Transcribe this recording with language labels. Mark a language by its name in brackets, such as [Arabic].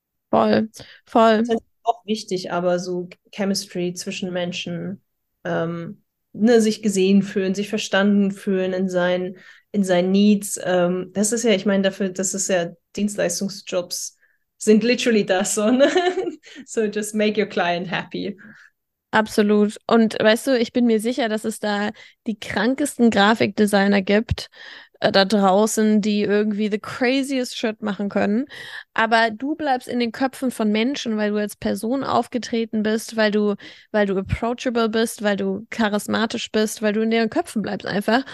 [German] Voll, voll. Halt auch wichtig, aber so Chemistry zwischen Menschen, ne, sich gesehen fühlen, sich verstanden fühlen in seinen Needs. Das ist ja, ich meine, dafür, das ist ja, Dienstleistungsjobs sind literally das, so, ne? [English] So, just make your client happy. [German] Absolut. Und weißt du, ich bin mir sicher, dass es da die krankesten Grafikdesigner gibt da draußen, die irgendwie [English] the craziest shit [German] machen können. Aber du bleibst in den Köpfen von Menschen, weil du als Person aufgetreten bist, weil du approachable bist, weil du charismatisch bist, weil du in deren Köpfen bleibst einfach.